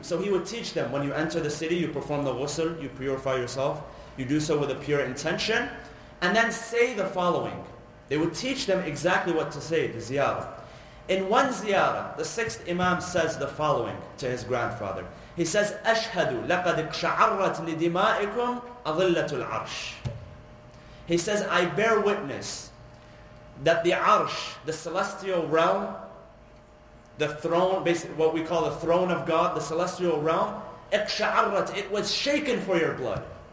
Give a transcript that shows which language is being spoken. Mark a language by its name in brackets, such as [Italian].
[English] So he would teach them, when you enter the city, you perform the ghusl, you purify yourself, you do so with a pure intention, and then say the following. They would teach them exactly what to say, the ziyarah. In one ziyarah, the sixth imam says the following to his grandfather. He says, [Arabic] أَشْهَدُ لَقَدْ قْشَعَرَّتْ لِدِمَائِكُمْ أَظِلَّةُ الْعَرْشِ. [English] He says, I bear witness that the arsh, the celestial realm, the throne, basically what we call the throne of God, the celestial realm, اقْشَعَرَّتْ, it was shaken for your blood.